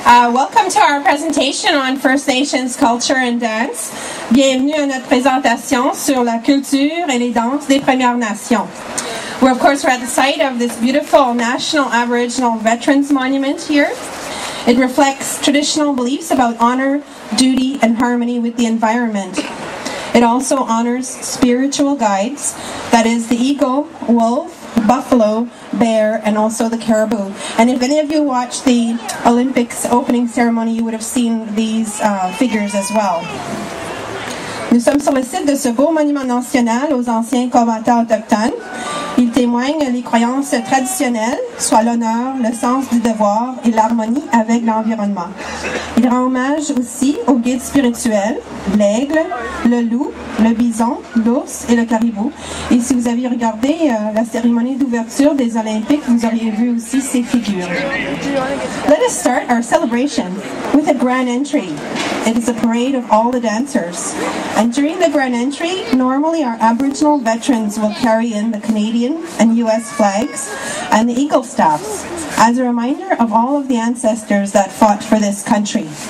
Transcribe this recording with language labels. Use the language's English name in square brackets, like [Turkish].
[English] Welcome to our presentation on First Nations culture and dance. [French] Bienvenue à notre présentation sur la culture et les danses des Premières Nations. [English] We're, of course, we're at the site of this beautiful National Aboriginal Veterans Monument here. It reflects traditional beliefs about honor, duty, and harmony with the environment. It also honors spiritual guides, that is the eagle, wolf, buffalo, bear, and also the caribou. And if any of you watched the Olympics opening ceremony, you would have seen these figures as well. [French] Nous sommes sur le site de ce beau monument national aux anciens combattants autochtones. Il témoigne les croyances traditionnelles, soit l'honneur, le sens du devoir et l'harmonie avec l'environnement. Il rend hommage aussi aux guides spirituels, l'aigle, le loup, le bison, l'ours et le caribou. Et si vous aviez regardé la cérémonie d'ouverture des Olympiques, vous auriez vu aussi ces figures. [English] Let us start our celebration with a grand entry. It is a parade of all the dancers. And during the grand entry, normally our Aboriginal veterans will carry in the Canadian and U.S. flags and the Eagle Staffs as a reminder of all of the ancestors that fought for this country.